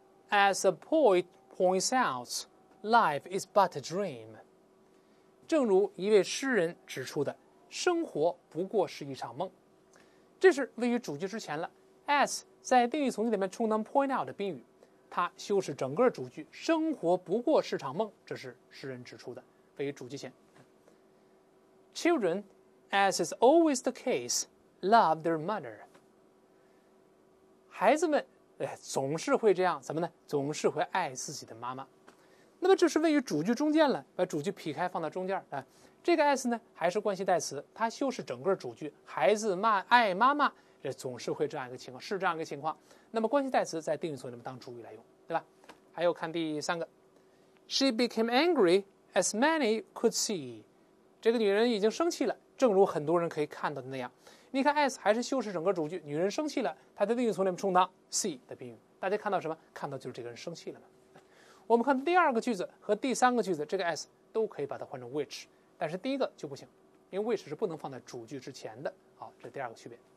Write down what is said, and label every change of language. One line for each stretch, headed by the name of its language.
English: As a poet points out, life is but a dream，
Chinese: 正如一位诗人指出的，生活不过是一场梦。这是位于主句之前了， as 在定语从句里面充当 point out 的宾语，它修饰整个主句，生活不过是场梦，这是诗人指出的，位于主句前。
English: Children, as is always the case, love their mother。
Chinese: 孩子们，总是会这样，怎么呢？总是会爱自己的妈妈。那么这是位于主句中间了，把主句劈开放到中间。这个 as 呢，还是关系代词，它修饰整个主句，孩子骂爱妈妈。这总是会这样一个情况，是这样一个情况。那么关系代词在定语从句里面当主语来用，对吧？还有看第三个
English: ，She became angry as many could see。
Chinese: 这个女人已经生气了，正如很多人可以看到的那样。你看 ，as 还是修饰整个主句，女人生气了，她在定语从句里面充当 see 的宾语。大家看到什么？看到就是这个人生气了嘛。我们看第二个句子和第三个句子，这个 s 都可以把它换成 which， 但是第一个就不行，因为 which 是不能放在主句之前的。好，这是第二个区别。